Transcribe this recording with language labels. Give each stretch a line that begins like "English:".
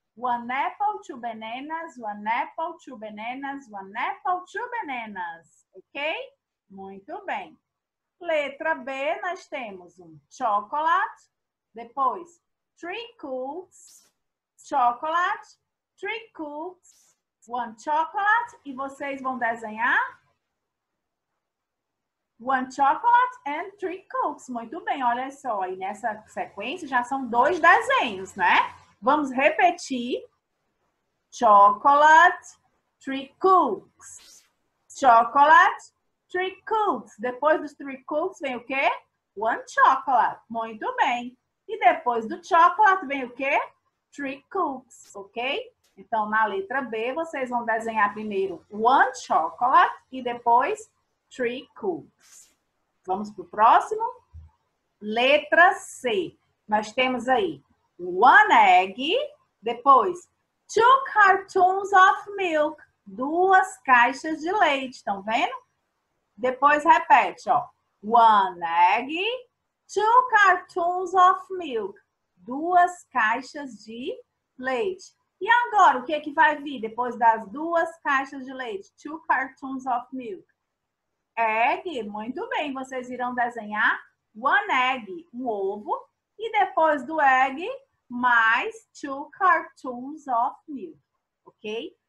English: One apple, two bananas, one apple, two bananas, one apple, two bananas.
Portuguese: Ok? Muito bem. Letra B, nós temos um chocolate, depois
English: three cookies, chocolate, three cookies, one chocolate,
Portuguese: e vocês vão desenhar?
English: One chocolate and three cookies.
Portuguese: Muito bem, olha só, aí nessa sequência já são dois desenhos, né? Vamos repetir.
English: Chocolate, three cookies. Chocolate, three cookies.
Portuguese: Depois dos
English: three cookies
Portuguese: vem o quê?
English: One chocolate.
Portuguese: Muito bem. E depois do chocolate vem o quê?
English: Three cookies,
Portuguese: ok? Então, na letra B, vocês vão desenhar primeiro
English: one chocolate
Portuguese: e depois
English: three cookies.
Portuguese: Vamos para o próximo. Letra C. Nós temos aí.
English: One egg,
Portuguese: depois
English: two cartons of milk,
Portuguese: duas caixas de leite, estão vendo? Depois repete, ó.
English: One egg, two cartons of milk.
Portuguese: Duas caixas de leite. E agora, o que é que vai vir depois das duas caixas de leite?
English: Two cartons of milk. Egg,
Portuguese: muito bem. Vocês irão desenhar
English: one egg,
Portuguese: um ovo. E depois do egg, mais
English: two cartons of milk.
Portuguese: Ok?